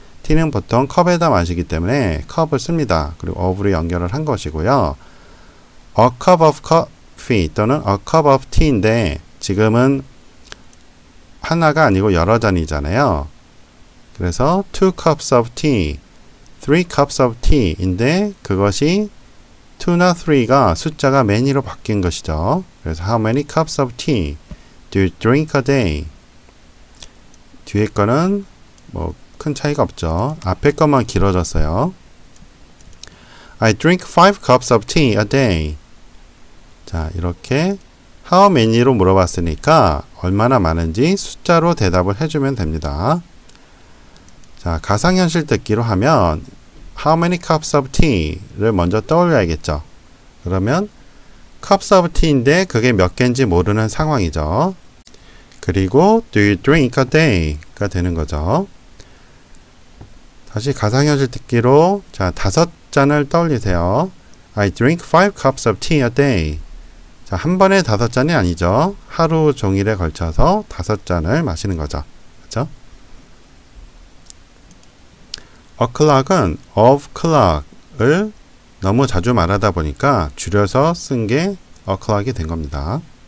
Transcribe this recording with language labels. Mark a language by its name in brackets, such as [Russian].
[Korean] tea는 보통 컵에다 마시기 때문에 컵을 씁니다. 그리고 of로 연결을 한 것이고요. [English] A cup of coffee 또는 a cup of tea인데 [Korean] 지금은 하나가 아니고 여러 잔이잖아요. 그래서 [English] two cups of tea, three cups of tea [Korean] 인데 그것이 two나 three가 숫자가 many로 바뀐 것이죠. [English] 그래서 how many cups of tea do you drink a day? [Korean] 뒤에 거는 뭐큰 차이가 없죠. 앞에 것만 길어졌어요. [English] I drink five cups of tea a day. [Korean] 자, 이렇게 how many로 물어봤으니까 얼마나 많은지 숫자로 대답을 해주면 됩니다. 자, 가상현실 듣기로 하면 [English] how many cups of tea [Korean] 를 먼저 떠올려야겠죠. 그러면 cups of tea인데 그게 몇 개인지 모르는 상황이죠. 그리고 [English] do you drink a day [Korean] 가 되는 거죠. 다시 가상현실 듣기로 자, 다섯 잔을 떠올리세요. [English] I drink five cups of tea a day. [Korean] 자, 한 번에 다섯 잔이 아니죠. 하루 종일에 걸쳐서 다섯 잔을 마시는 거죠. 그렇죠? A clock은 of clock을 너무 자주 말하다 보니까 줄여서 쓴게 a clock이 된 겁니다.